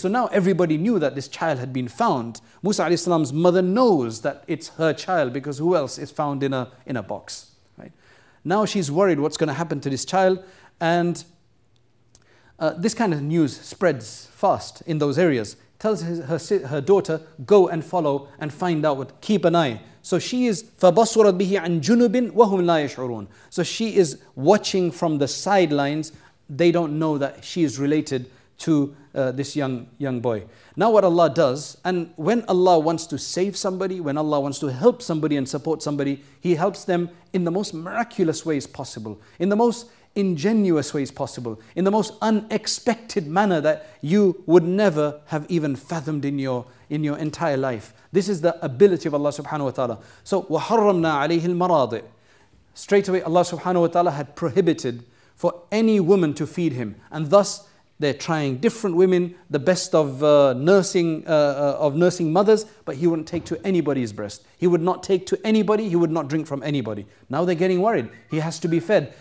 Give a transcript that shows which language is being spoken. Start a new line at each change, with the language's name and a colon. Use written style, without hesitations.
English: So now everybody knew that this child had been found. Musa alayhi salam's mother knows that it's her child because who else is found in a box? Right? Now she's worried what's going to happen to this child. And this kind of news spreads fast in those areas. Tells her daughter, go and follow and find out, keep an eye. So she is
Arabic: فَبَصُرَتْ بِهِ عَنْ جُنُبٍ وَهُمْ لَا يَشْعُرُونَ.
English: So she is watching from the sidelines. They don't know that she is related to this young boy. Now what Allah does, and when Allah wants to save somebody, when Allah wants to help somebody and support somebody, He helps them in the most miraculous ways possible, in the most ingenuous ways possible, in the most unexpected manner that you would never have even fathomed in your entire life. This is the ability of Allah subhanahu wa ta'ala. So,
Arabic: وَحَرَّمْنَا عَلَيْهِ الْمَرَاضِ.
English: Straight away Allah subhanahu wa ta'ala had prohibited for any woman to feed him. And thus, they're trying different women, the best of nursing mothers, but he wouldn't take to anybody's breast. He would not take to anybody, he would not drink from anybody. Now they're getting worried. He has to be fed.